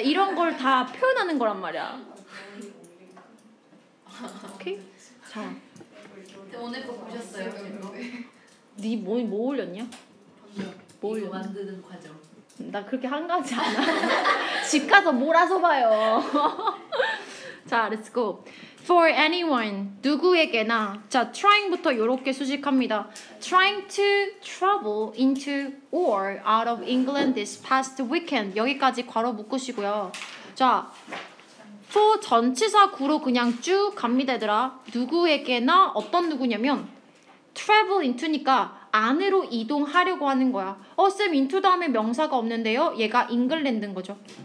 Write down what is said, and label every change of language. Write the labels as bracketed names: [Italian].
[Korean] 이런 걸 다 표현하는 거란 말이야. 오케이? 자 오늘 거 보셨어요? 니 뭐 올렸냐? 뭐 올렸냐? 이거 만드는 과정. 나 그렇게 한가하지 않아. 집 가서 몰아서 봐요. 자 렛츠고. [English] For anyone, [Korean] 누구에게나. 자, trying부터 이렇게 수식합니다. [English] Trying to travel into or out of England this past weekend. [Korean] 여기까지 괄호 묶으시고요. 자, for 전치사 구로 그냥 쭉 갑니다, 얘들아. 누구에게나 어떤 누구냐면 travel into니까 안으로 이동하려고 하는 거야. 어, 쌤, into 다음에 명사가 없는데요? 얘가 England인 거죠.